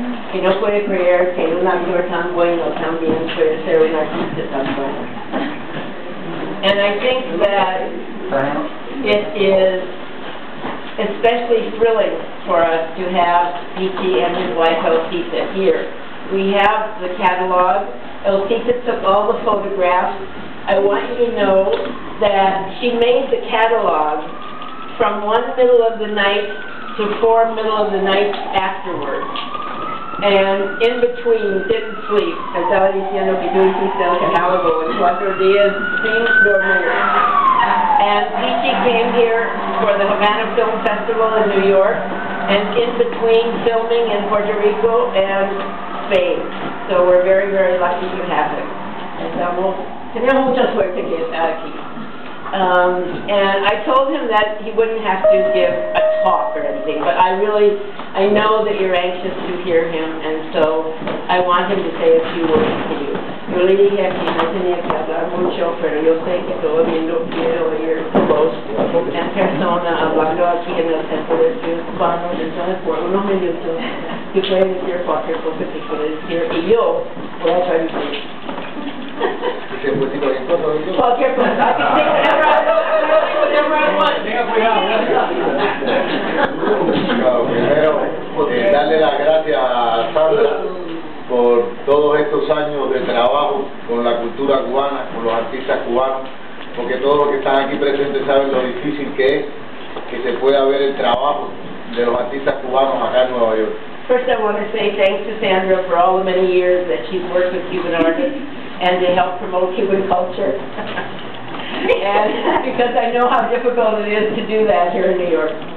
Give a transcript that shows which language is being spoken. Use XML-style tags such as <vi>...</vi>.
<es>Que no puede creer que un actor tan bueno también puede ser un artista tan bueno.</es> <en>And I think that it is especially thrilling for us to have P.T. and his wife, Elcita, here. We have the catalog. Elcita took all the photographs. I want you to know that she made the catalog from one middle of the night to four middle of the night afterwards. And in between, didn't sleep.</en> <es>Estaba diciendo que Dulce hizo el catálogo en cuatro días sin dormir.</es> <en>And P.T. came here for the Havana Film Festival in New York, and in between filming in Puerto Rico and Spain. So we're very, very lucky to have him.</en> <es>Tenemos mucha suerte que está aquí.</es> <en>And I told him that he wouldn't have to give a talk or anything, but I know that you're anxious to hear him, and so I want him to say a few words to you.</en> <es>Yo le dije aquí, no tenía que hablar mucho, pero yo sé que todo el mundo quiere oír su voz en persona hablando aquí en el centro de su hermano. Entonces, por unos minutos, tú puedes decir cualquier cosa que quieres decir, y yo voy a traducir. Cualquier cosa,</es> <en>I can take whatever I want.</en> <es>Tenga cuidado. Primero, darle las gracias a Sandra por todos estos años de trabajo con la cultura cubana, con los artistas cubanos, porque todos los que están aquí presentes saben lo difícil que es que se pueda ver el trabajo de los artistas cubanos acá en Nueva York.</es> <en>First I want to say thanks to Sandra for all the many years that she's worked with Cuban artists and to help promote Cuban culture. And because I know how difficult it is to do that here in New York.</en>